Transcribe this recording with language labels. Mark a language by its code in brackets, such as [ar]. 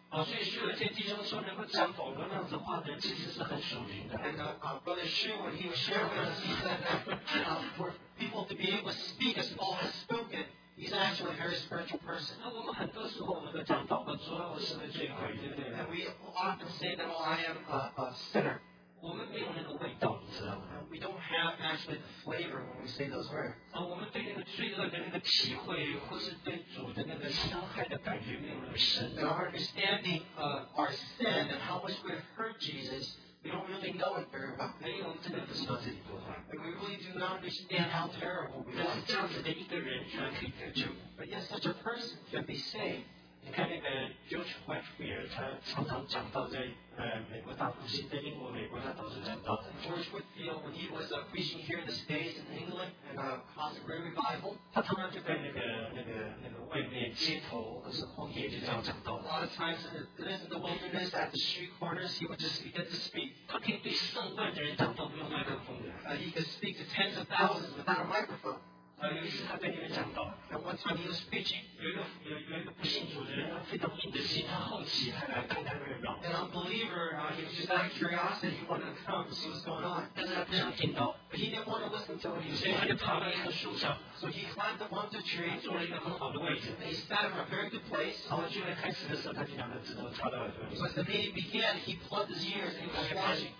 [zh] 所以徐尔杰弟兄说，能够讲保罗那样子话的人，其实是很属灵的。 [en] And Brother Xu, when he was sharing with us, he said that for people to be able to speak as Paul has spoken, he's actually a very spiritual person. [zh] 那我们很多时候我们都讲祷告，主啊，我是个罪魁，对不对 [en] ？And we often say that, oh, I am a sinner. [zh] 我们没有那个味道，你知道吗 [en] ？We don't have actually the flavor when we say those words. [zh] 啊，我们对那个罪恶的那个体会，或是对主的那个伤害的感觉没有那么深。 [en] And our understanding of our sin and how much we have hurt Jesus, we don't really know it very well. [zh] 没有，我们真的不知道这里多坏。 [en] And we really do not understand how terrible we are. [zh] 但是这样子的一个人居然可以得救。 [en] But yet such a person can be saved. [zh] 你看那个 George Whitefield， 他常常讲到在美国大复兴，在英国、美国他都是讲到的。 [en] George Whitefield when he was preaching here in the States in England and caused a great revival， [zh] 他常常就在那个外面街头或是荒野就这样讲到。 [en] A lot of times in the wilderness at the street corners he would just begin to speak。 [zh] 他可以对上万的人讲到不用麦克风的。 [en] He could speak to tens of thousands without a microphone。 [zh] 有一次他跟你们讲到 [en] ，And one time he was preaching， [zh] 有一个不信主的人，他非常硬的心，他好奇，他来看看热闹。 [en] An unbeliever, he was just out of curiosity, he wanted to come to see what's going on。 [zh] 但是他不想听到 [en] ，But he didn't want to listen to what he was saying。 [zh] 所以他就爬到一棵树上 [en] ，So he climbed up onto a tree， [zh] 坐了一个很好的位置 [en] ，And he sat in a very good place。 [zh] 然后聚会开始的时候，他就两个指头插到耳朵里 [en] ，But the meeting began, he plugged his ears and he was watching，